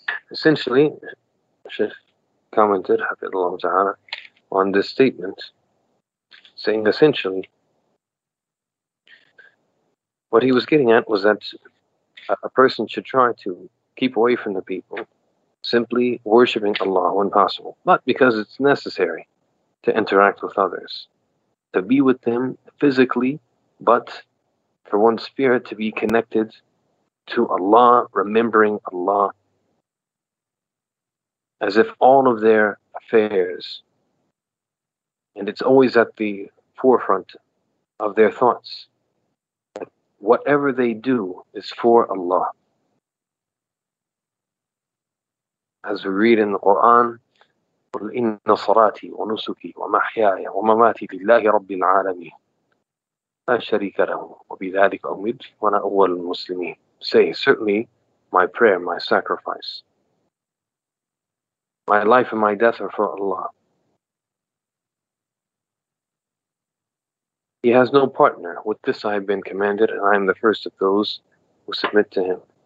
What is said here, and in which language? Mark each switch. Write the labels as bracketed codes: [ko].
[en] Essentially, Sheikh commented, Hafidhullah Ta'ala, on this statement, saying essentially, what he was getting at was that a person should try to keep away from the people, simply worshipping Allah when possible, but because it's necessary to interact with others, to be with them physically, but for one's spirit to be connected to Allah, remembering Allah, as if all of their affairs, and it's always at the forefront of their thoughts, that whatever they do is for Allah. [ar] As we read in the Quran, قُلْ إِنَّ صَلَاتِي وَنُسُكِي وَمَحْيَايَ وَمَمَاتِي لِلَّهِ رَبِّ الْعَالَمِينَ لَا شَرِيكَ لَهُ وَبِذَلِكَ أُمِرْتُ وَأَنَا أَوَّلُ الْمُسْلِمِينَ. [en] Say, certainly, my prayer, my sacrifice, my life and my death are for Allah. He has no partner. With this I have been commanded, and I am the first of those who submit to him.